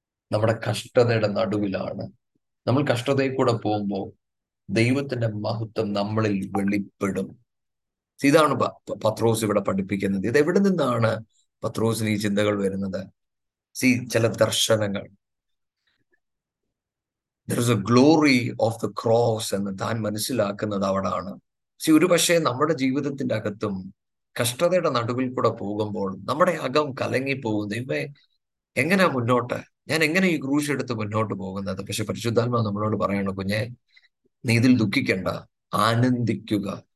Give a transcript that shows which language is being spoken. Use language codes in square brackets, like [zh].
[ml] നമ്മുടെ കഷ്ടതയുടെ നടുവിലാണ്. നമ്മൾ കഷ്ടതയിൽ കൂടെ പോകുമ്പോൾ ദൈവത്തിന്റെ മഹത്വം നമ്മളിൽ വെളിപ്പെടും. ഇതാണ് പത്രോസ് ഇവിടെ പഠിപ്പിക്കുന്നത്. ഇത് എവിടെ നിന്നാണ് പത്രോസിന് ഈ ചിന്തകൾ വരുന്നത്? സി, ചില ദർശനങ്ങൾ. [en] There is a glory of the cross [ml] എന്ന് താൻ മനസ്സിലാക്കുന്നത് അവിടാണ്. ഒരു പക്ഷേ നമ്മുടെ ജീവിതത്തിന്റെ അകത്തും കഷ്ടതയുടെ നടുവിൽ കൂടെ പോകുമ്പോൾ നമ്മുടെ അകം കലങ്ങിപ്പോകും. ദൈവമേ, എങ്ങനെയാ മുന്നോട്ട്, ഞാൻ എങ്ങനെ ഈ ക്രൂശ് എടുത്ത് മുന്നോട്ട് പോകുന്നത്? പക്ഷെ പരിശുദ്ധാത്മാ നമ്മളോട് പറയണം, കുഞ്ഞെ നീ ഇതിൽ ദുഃഖിക്കണ്ട, ആനന്ദിക്കുക.